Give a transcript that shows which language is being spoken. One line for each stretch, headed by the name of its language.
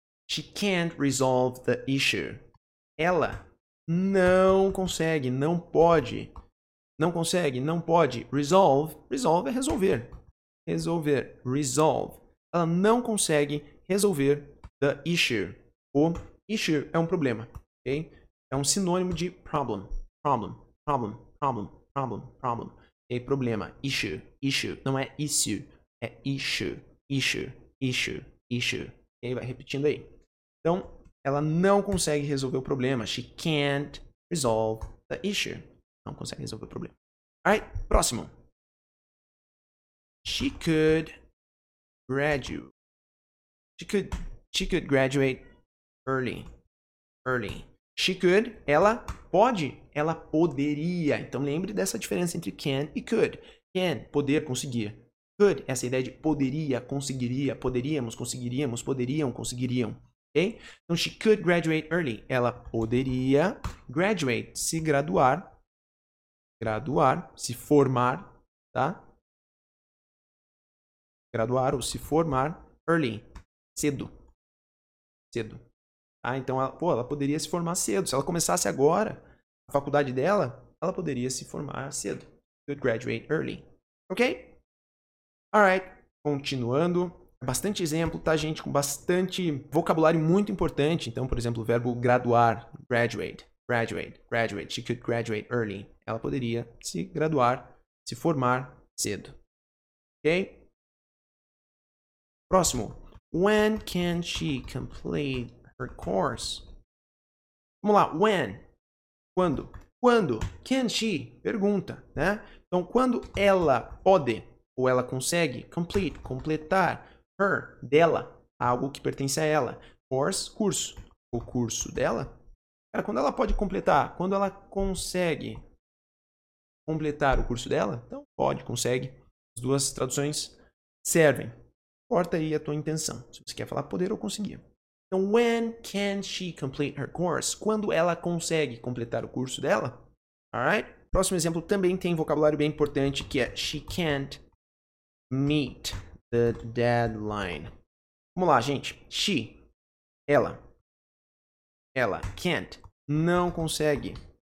English: She can't resolve the issue.
Portuguese: Ela não consegue, não pode. Não consegue, não pode. Resolve. Resolve é resolver. Resolver. Resolve. Ela não consegue resolver
English: the issue.
Portuguese: O issue é um problema. Okay? É um sinônimo de problem. Problem. Problem. Problem. Problem. Problem. É problema. Issue. Issue. Não é issue. É issue. Issue. Issue. Issue. Okay? Vai repetindo aí. Então, ela não consegue resolver o problema.
English: She can't resolve the issue.
Portuguese: Não consegue resolver o problema.
English: Alright, próximo. She could graduate. She could graduate early.
Portuguese: Early.
English: She could.
Portuguese: Ela pode. Ela poderia. Então lembre dessa diferença entre can e could. Can, poder, conseguir. Could, essa ideia de poderia, conseguiria, poderíamos, conseguiríamos, poderiam, conseguiriam. Ok?
English: Então, she could graduate early.
Portuguese: Ela poderia graduate, se graduar. Graduar, se formar, tá? Graduar ou se formar early, cedo. Cedo. Tá? Então, ela poderia se formar cedo. Se ela começasse agora a faculdade dela, ela poderia se formar cedo.
English: Could graduate early. Ok? Alright, continuando.
Portuguese: Bastante exemplo, tá, gente? Com bastante vocabulário muito importante. Então, por exemplo, o verbo graduar, graduate, graduate, graduate.
English: She could graduate early.
Portuguese: Ela poderia se graduar, se formar cedo. Ok? Próximo.
English: When can she complete her course?
Portuguese: Vamos lá. When? Quando? Quando?
English: Can she?
Portuguese: Pergunta, né? Então, quando ela pode ou ela consegue complete, completar, her, dela, algo que pertence a ela. Course, curso. O curso dela. Cara, quando ela pode completar, quando ela consegue completar o curso dela, então pode, consegue. As duas traduções servem. Importa aí a tua intenção, se você quer falar poder ou conseguir.
English: Então, when can she complete her course?
Portuguese: Quando ela consegue completar o curso dela. Alright? Próximo exemplo também tem vocabulário bem importante, que é
English: she can't meet the deadline.
Portuguese: Vamos lá, gente. She, ela. Ela can't, não consegue.